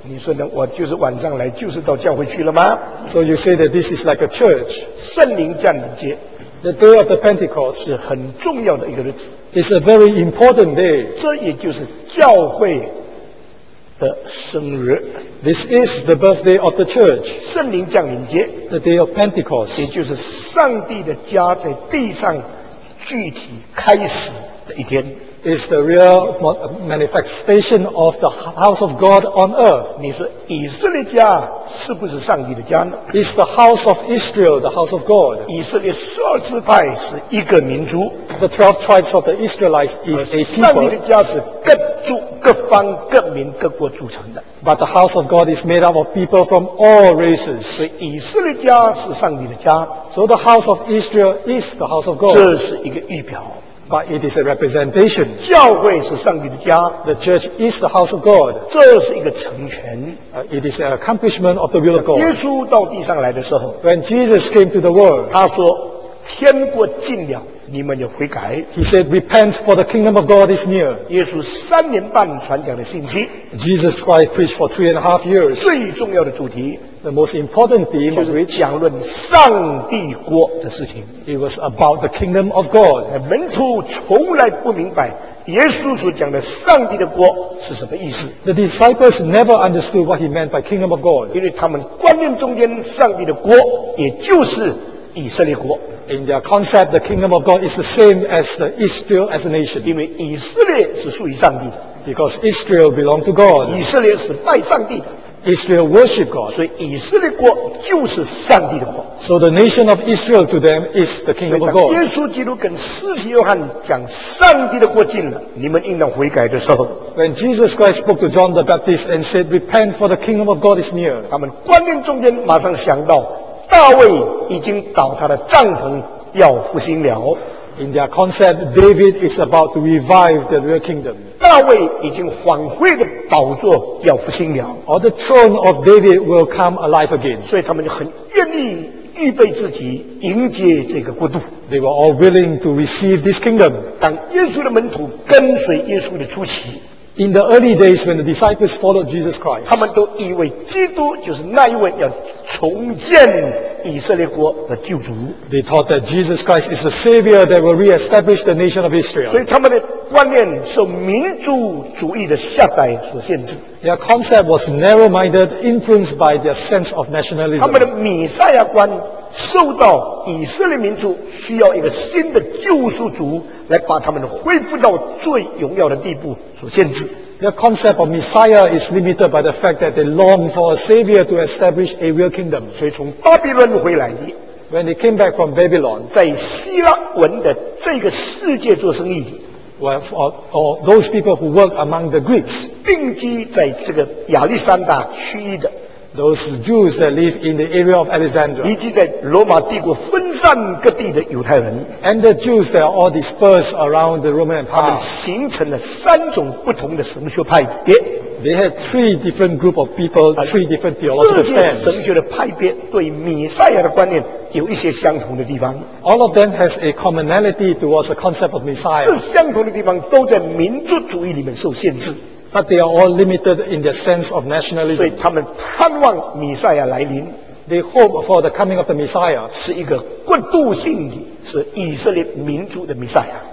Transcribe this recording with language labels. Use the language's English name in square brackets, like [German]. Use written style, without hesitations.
[Chinese] 你说呢？我就是晚上来，就是到教会去了吗 [English] ？So you say that this is like a church. [Chinese] 圣灵降临间。 [English] The day of the Pentecost [Chinese] 是很重要的一个日子。 [English] It's a very important day. [Chinese] 这也就是教会。的生日 [English] This is the birthday of the church [Chinese] 圣灵降临节 [English] The day of Pentecost [Chinese] 也就是上帝的家在地上具体开始的一天 [English] It's the real manifestation of the house of God on earth [Chinese] 你说以色列家是不是上帝的家呢 [English] It's the house of Israel, the house of God [Chinese] 以色列十二支派是一个民族 [English] The 12 tribes of the Israelites is a people [Chinese] 上帝的家是更各方各民各国组成的 [English] But the house of God is made up of people from all races [Chinese] 所以以色列家是上帝的家 [English] So the house of Israel is the house of God [Chinese] 这是一个预表 [English] But it is a representation [Chinese] 教会是上帝的家 [English] The church is the house of God [Chinese] 这是一个成全 [English] It is an accomplishment of the will of God [Chinese] 耶稣到地上来的时候 [English] When Jesus came to the world [Chinese] 他说天国近了你们要悔改 [English] He said repent for the kingdom of God is near [Chinese] 耶稣三年半传讲的信息 [English] Jesus Christ preached for 3.5 years [Chinese] 最重要的主题 [English] The most important theme [Chinese] 就是讲论上帝国的事情 [English] It was about the kingdom of God [Chinese] 门徒从来不明白耶稣所讲的上帝的国是什么意思 [English] The disciples never understood what he meant by kingdom of God [Chinese] 因为他们观念中间上帝的国也就是以色列国 [English] In their concept, the kingdom of God is the same as the Israel as a nation. [Chinese] 因为以色列是属于上帝的。 [English] Because Israel belonged to God. [Chinese] 以色列是拜上帝的。 [English] Israel worshiped God. [Chinese] 所以以色列国就是上帝的国。 [English] So the nation of Israel to them is the kingdom of God. [Chinese] 耶稣基督跟施洗约翰讲上帝的国近了，你们应当悔改的时候。 [English] When Jesus Christ spoke to John the Baptist and said, "Repent, for the kingdom of God is near." [Chinese] 他们观念中间马上想到。大卫已经倒下的帐篷要复兴了。 [English] In their concept, David is about to revive the real kingdom. [Chinese] 大卫已经荒废的宝座要复兴了。 [English] Or the throne of David will come alive again. [Chinese] 所以他们就很愿意预备自己迎接这个国度。 [English] They were all willing to receive this kingdom. [Chinese] 当耶稣的门徒跟随耶稣的初期。 [English] In the early days when the disciples followed Jesus Christ, [Chinese] 他们都以为基督就是那一位要重建以色列国的救主。 [English] They thought that Jesus Christ is the Savior that will re-establish the nation of Israel. [Chinese] 所以他们的观念受民族主义的狭窄所限制。 [English] Their concept was narrow-minded, influenced by their sense of nationalism. [Chinese] 他们的弥赛亚观受到以色列民族需要一个新的救赎主来把他们恢复到最荣耀的地步所限制。 [English] The concept of Messiah is limited by the fact that they long for a savior to establish a real kingdom. [Chinese] 所以从巴比伦回来的 [English] ，When they came back from Babylon， [Chinese] 在希腊文的这个世界做生意的 [English] ，Well, or those people who work among the Greeks， [Chinese] 定居在这个亚历山大区域的。 [English] Those Jews that live in the area of Alexandria, [Chinese] 以及在罗马帝国分散各地的犹太人 [English] and the Jews that are all dispersed around the Roman Empire, [Chinese] 他们形成了三种不同的神学派别 [English] They had three different group of people, three different theological stands. [Chinese] 这些神学的派别对弥赛亚的观念有一些相同的地方 [English] All of them has a commonality towards the concept of Messiah. [Chinese] 这相同的地方都在民族主义里面受限制。 [English] But they are all limited in their sense of nationalism. [Chinese] 所以他们盼望弥赛亚来临。 [English] They hope for the coming of the Messiah. [Chinese] 是一个国度性的，是以色列民族的弥赛亚。